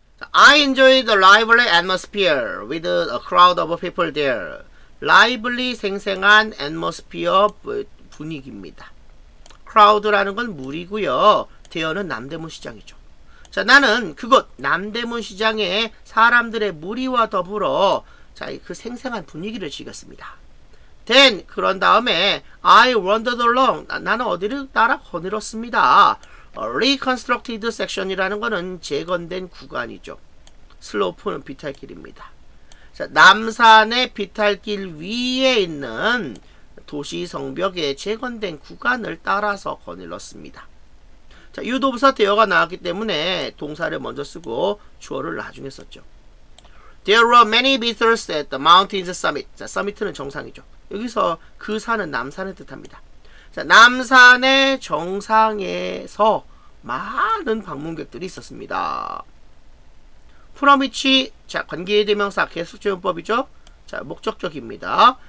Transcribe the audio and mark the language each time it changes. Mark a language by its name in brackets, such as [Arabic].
[English] I enjoy the lively atmosphere with a crowd of people there. [Korean] Lively, 생생한 atmosphere 분위기입니다. Crowd라는 건 무리고요. There는 남대문 시장이죠. 자, 나는 그곳 남대문 시장에 사람들의 무리와 더불어 자, 그 생생한 분위기를 즐겼습니다. [English] Then, [Korean] 그런 다음에 [English] I wandered along. [Korean] 나는 어디를 따라 거닐었습니다. Reconstructed section이라는 거는 재건된 구간이죠. 슬로프는 비탈길입니다. 자, 남산의 비탈길 위에 있는 도시 성벽의 재건된 구간을 따라서 거닐었습니다. 자, 유도부사 대어가 나왔기 때문에 동사를 먼저 쓰고 주어를 나중에 썼죠. [English] There were many visitors at the mountain's summit. [Korean] 자, summit는 정상이죠. 여기서 그 산은 남산을 뜻합니다. 자, 남산의 정상에서 많은 방문객들이 있었습니다. From which, 자, 관계대명사 계속지음법이죠. 자, 목적격입니다.